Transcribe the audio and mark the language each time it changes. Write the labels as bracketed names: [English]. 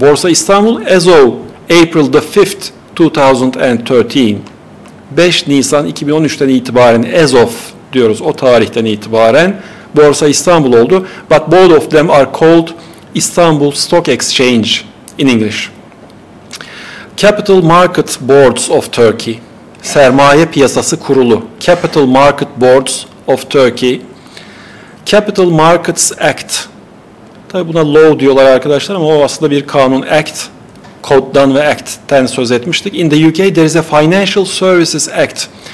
[English] Borsa İstanbul as of April the 5th 2013. [Turkish] 5 Nisan 2013'ten itibaren as of diyoruz, o tarihten itibaren. Borsa İstanbul oldu. [English] But both of them are called Istanbul Stock Exchange in English. Capital Market Boards of Turkey. Sermaye Piyasası Kurulu. Capital Market Boards of Turkey. Capital Markets Act. [Turkish] Tabi buna law diyorlar arkadaşlar ama o aslında bir kanun. Act. Code'dan ve Act'ten söz etmiştik. [English] In the UK there is a Financial Services Act.